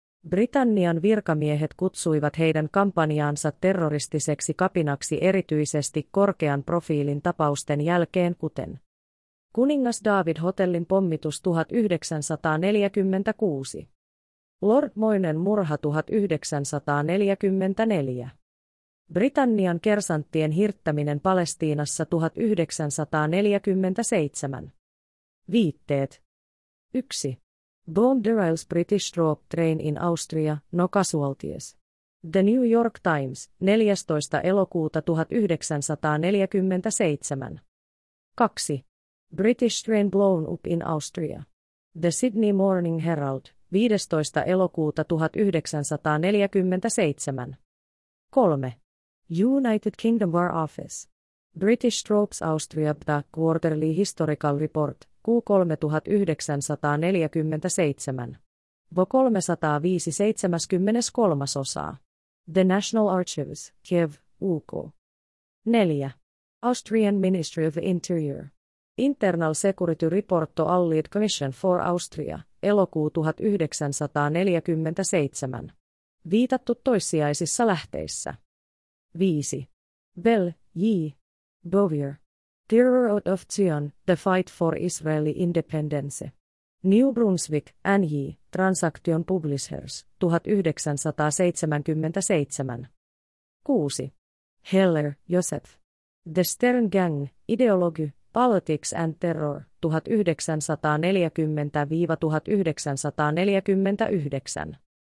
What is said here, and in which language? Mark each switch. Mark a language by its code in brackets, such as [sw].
[fi] Britannian virkamiehet kutsuivat heidän kampanjaansa terroristiseksi kapinaksi erityisesti korkean profiilin tapausten jälkeen, kuten Kuningas David Hotellin pommitus 1946. Lord Moynen murha 1944. Britannian kersanttien hirttäminen Palestiinassa 1947. Viitteet. 1. [en] Bomb derails British troop train in Austria, no casualties. [fi] The New York Times, 14. elokuuta 1947. 2. [en] British train blown up in Austria. [fi] The Sydney Morning Herald. 15. elokuuta 1947. 3. [en] United Kingdom War Office. British Troops Austria BTA Quarterly Historical Report, Q3/1947. V305/73. The National Archives, Kiev, UK. 4. Austrian Ministry of the Interior. Internal Security Report to Allied Commission for Austria. [fi] Elokuu 1947. Viitattu toissijaisissa lähteissä. [en] 5. Bell, J. Bovier. Terror Out of Zion, The Fight for Israeli Independence. New Brunswick, NJ, Transaction Publishers, 1977. 6. Heller, Joseph. The Stern Gang, Ideology, Politics and Terror, 1940-1949.